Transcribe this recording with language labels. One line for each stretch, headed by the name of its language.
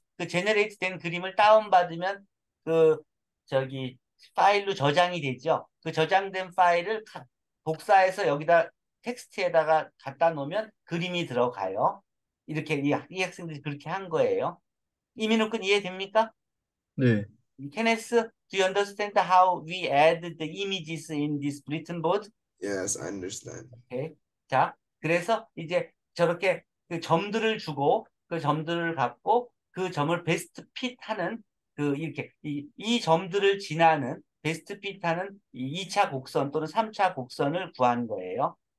Korean: 그 제네레이트 된 그림을 다운받으면 그 저기 파일로 저장이 되죠. 그 저장된 파일을 복사해서 여기다 텍스트에다가 갖다 놓으면 그림이 들어가요. 이렇게 이 학생들이 그렇게 한 거예요. 이민욱 군 이해됩니까?
English: Yeah. Kenneth, do you understand how we add the images in this written board? Yes, I understand.
Korean: 오케이. 자, 그래서 이제 저렇게 그 점들을 주고, 그 점들을 갖고 그 점을 베스트 핏 하는 그 이렇게 이 점들을 지나는 베스트 피트하는 2차 곡선 또는 3차 곡선을 구하는 거예요.